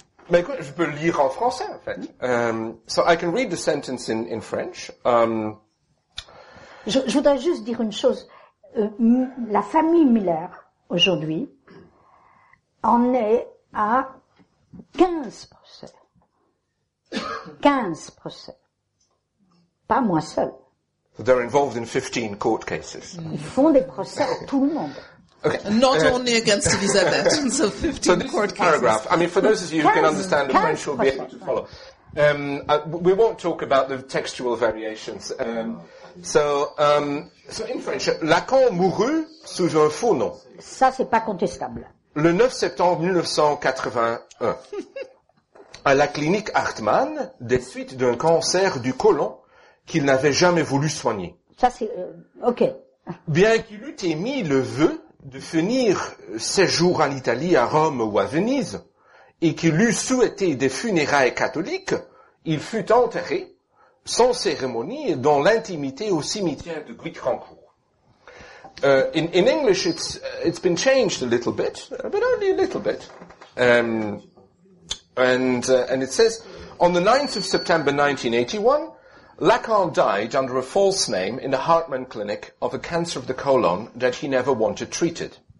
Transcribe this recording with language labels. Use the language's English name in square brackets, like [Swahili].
[French] Mais écoute, je peux lire en français, en fait. [English] So I can read the sentence in French. [French] Je voudrais juste dire une chose. La famille Miller, aujourd'hui, en est à 15 procès. 15 procès. Pas moi seul. [English] So they're involved in 15 court cases. [French] Ils font des procès à tout le monde. [English] Okay. Not only against Elisabeth, so 15 so court paragraph. Cases. I mean, for those of you who can understand, the French will be able to follow. We won't talk about the textual variations. So in French, [French] Lacan mourut sous un faux nom. Ça, c'est pas contestable. Le 9 septembre 1981, à la clinique Hartmann, des suites d'un cancer du côlon qu'il n'avait jamais voulu soigner. Ça, c'est OK. Bien qu'il eût émis le vœu de finir ses jours en Italie, à Rome ou à Venise, et qu'il eût souhaité des funérailles catholiques, il fut enterré, sans cérémonie, dans l'intimité au cimetière de Guicrancourt. [English] In English, it's been changed a little bit, but only a little bit. And it says, on the 9th of September 1981, Lacan died under a false name in the Hartmann Clinic of a cancer of the colon that he never wanted treated.